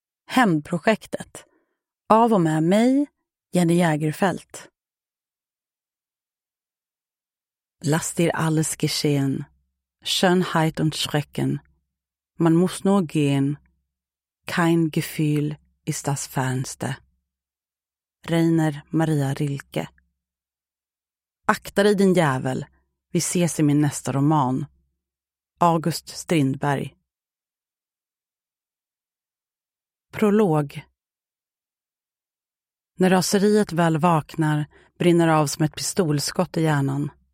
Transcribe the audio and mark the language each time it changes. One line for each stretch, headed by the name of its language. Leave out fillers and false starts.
Swedish: Hämndprojektet av och med mig, Jenny Jägerfält.
German: Lass dir alles geschehen, Schönheit und Schrecken. Man muss nur gehen, kein Gefühl ist das Fernste. Rainer Maria Rilke.
Swedish: Akta dig din jävel, vi ses i min nästa roman. August Strindberg. Prolog. När raseriet väl vaknar brinner av som ett pistolskott i hjärnan.